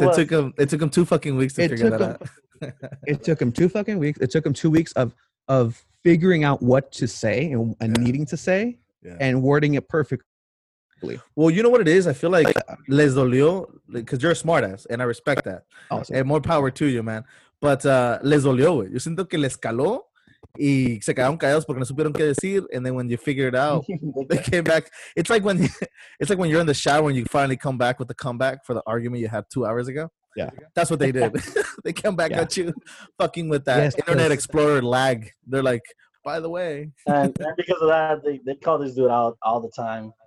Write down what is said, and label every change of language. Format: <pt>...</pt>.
<en>It took him 2 fucking weeks to figure that out. It took him 2 fucking weeks. It took him 2 weeks of figuring out what to say and needing to say and wording it perfectly. Well, you know what it is? I feel like</en> <es>les dolió,</es> <en>because you're a smartass, and I respect that. Awesome. And more power to you, man. But</en> <es>les dolió. Yo siento que les caló y se quedaron callados porque no supieron qué decir.</es> <en>And then when you figure it out, they came back. It's like when you're in the shower and you finally come back with the comeback for the argument you had 2 hours ago. Yeah. That's what they did. They came back at you fucking with that Internet Explorer lag. They're like, by the way. And because of that, they call this dude out all the time.</en>